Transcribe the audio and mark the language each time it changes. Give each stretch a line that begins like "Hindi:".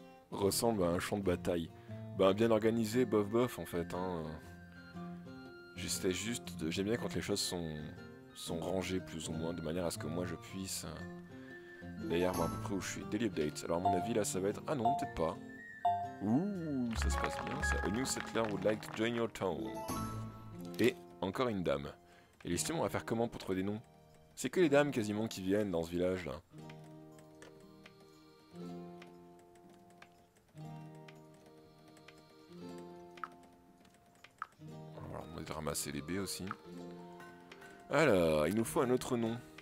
French: Ressemble à un champ de bataille. Ben bien organisé, bof bof en fait. Hein. J'aime bien quand les choses sont rangées plus ou moins de manière à ce que moi je puisse. D'ailleurs, voir à peu près où je suis.
English: Daily update.
French: Alors à mon avis là, ça va être. Ah non, peut-être pas. Ouh, ça se passe bien.
English: Ça. A new settler would like to join your town.
French: Et encore une dame. Et les systèmes, on va faire comment pour trouver des noms? C'est que les dames quasiment qui viennent dans ce village là. Ramasser les baies aussi. Alors, il nous faut un autre nom.